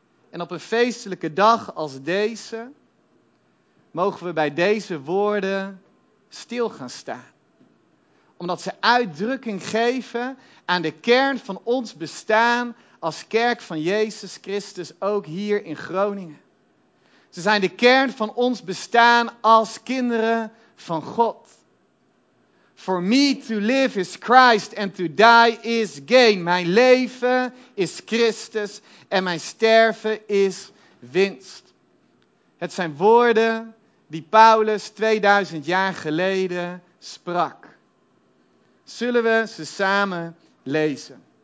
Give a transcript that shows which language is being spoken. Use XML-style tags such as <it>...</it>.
<nl>En op een feestelijke dag als deze mogen we bij deze woorden stil gaan staan. Omdat ze uitdrukking geven aan de kern van ons bestaan als kerk van Jezus Christus, ook hier in Groningen. Ze zijn de kern van ons bestaan als kinderen van God.</nl> <en>For me to live is Christ and to die is gain.</en> <nl>Mijn leven is Christus en mijn sterven is winst. Het zijn woorden die Paulus 2000 jaar geleden sprak. Zullen we ze samen lezen?</nl>